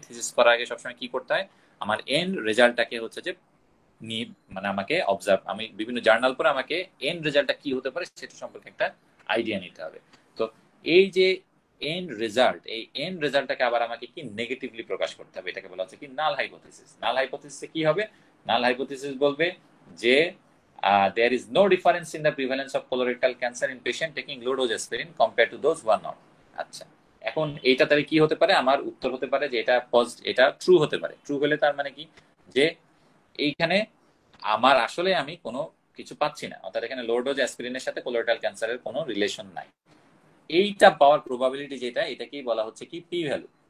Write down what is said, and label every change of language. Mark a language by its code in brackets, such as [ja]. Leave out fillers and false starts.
[bn] Thesis করার আগে সবসময় কি করতে হয়, আমার এন্ড রেজাল্টটাকে হচ্ছে যে নিয়ে, মানে আমাকে অবজার্ভ, আমি বিভিন্ন জার্নাল পরে আমাকে এন্ড রেজাল্টটা কি হতে পারে সেটা সম্পর্কে একটা আইডিয়া নিতে হবে। তো এই যে এন্ড রেজাল্ট, এই এন্ড রেজাল্টটাকে আবার আমাকে কি নেগেটিভলি প্রকাশ করতে হবে, এটাকে বলা হচ্ছে কি নাল হাইপোথিসিস। নাল হাইপোথিসিস কি হবে, নাল হাইপোথিসিস বলবে যে [en] there is no difference in the prevalence of colorectal cancer in patient taking low dose aspirin compared to those who are not. [bn] আচ্ছা, এখন এইটা তাহলে কি হতে পারে, আমার উত্তর হতে পারে যে এটা পজিটিভ, এটা ট্রু হতে পারে। ট্রু হলে তার মানে কি, যে এইখানে আমার আসলে আমি কোনো কিছু পাচ্ছি না, অর্থাৎ এখানে লো ডোজ অ্যাসপিরিনের সাথে কোলোরেক্টাল ক্যান্সারের কোনো রিলেশন নাই, এইটা পাওয়ার প্রবাবিলিটি যেটা, এটাকেই বলা হচ্ছে কি পি ভ্যালু।